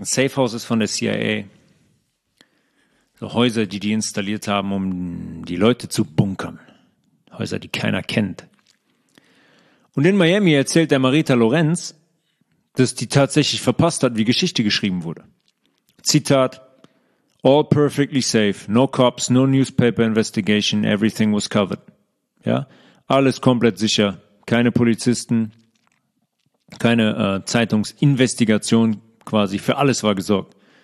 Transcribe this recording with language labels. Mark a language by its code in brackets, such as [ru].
[de] Ein Safehouse ist von der CIA. So Häuser, die installiert haben, um die Leute zu bunkern. Häuser, die keiner kennt. Und in Miami erzählt der Marita Lorenz, dass die tatsächlich verpasst hat, wie Geschichte geschrieben wurde. [en] Zitat: All perfectly safe. No cops, no newspaper investigation. Everything was covered. [de] Ja, alles komplett sicher. Keine Polizisten, keine Zeitungsinvestigation quasi, für alles war gesorgt.